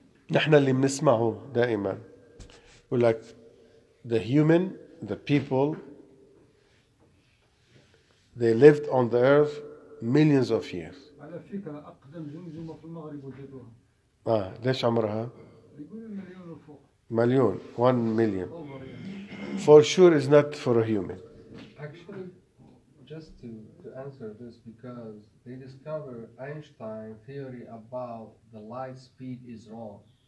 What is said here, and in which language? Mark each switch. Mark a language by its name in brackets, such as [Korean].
[English] نحن اللي بنسمعه دائما بقول لك the human, the people, they lived on the earth millions of years. [Arabic] على فكرة أقدم جمجمة في المغرب وجدوها. ليش عمرها؟ يقول مليون وفوق. [English] مليون, 1 million. For sure is not for a human. Just to answer this, because they discovered Einstein's theory about the light speed is wrong.